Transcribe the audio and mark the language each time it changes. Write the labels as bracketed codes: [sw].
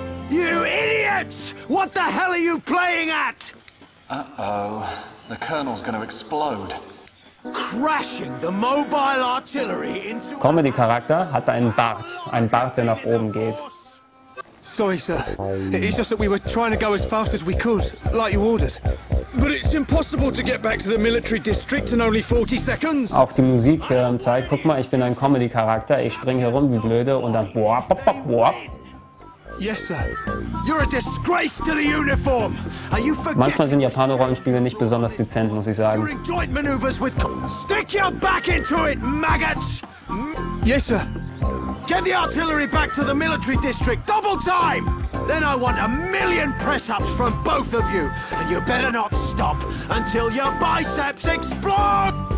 [en] You idiots! What the hell are you playing at? Uh-oh. The Colonel's gonna explode. Crashing the mobile artillery into [de] Comedy-Charakter hat einen Bart, der nach oben geht. [en] Sorry, sir. It's just that we were trying to go as fast as we could, like you ordered. But it's impossible to get back to the military district in only 40 seconds. [de] Auch die Musik zeigt, guck mal, ich bin ein Comedy-Charakter, ich springe herum wie blöde und dann boah, boah, boah, boah. [en] Yes, sir. You're a disgrace to the uniform. Are you forgetting? [de] Manchmal sind Japaner-Rollenspiele nicht besonders dezent, muss ich sagen. [en] During joint maneuvers with stick your back into it, maggots. Yes, sir. Get the artillery back to the military district, double time. Then I want a million press-ups from both of you, and you better not stop until your biceps explode.